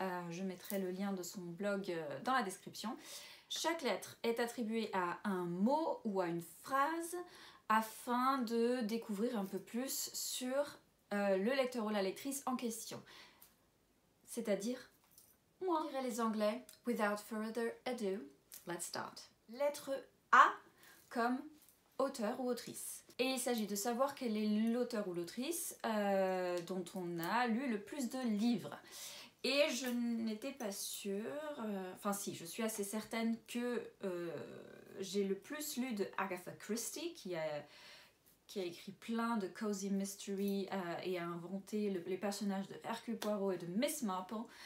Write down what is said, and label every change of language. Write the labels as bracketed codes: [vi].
[fr] Je mettrai le lien de son blog dans la description. Chaque lettre est attribuée à un mot ou à une phrase afin de découvrir un peu plus sur le lecteur ou la lectrice en question. C'est-à-dire moi. Je dirais les anglais. [en] Without further ado, let's start. [fr] Lettre A comme auteur ou autrice. Et il s'agit de savoir quel est l'auteur ou l'autrice dont on a lu le plus de livres. Et je n'étais pas sûre, enfin si, je suis assez certaine que j'ai le plus lu de Agatha Christie, qui a écrit plein de cozy mystery et a inventé les personnages de Hercule Poirot et de Miss Marple.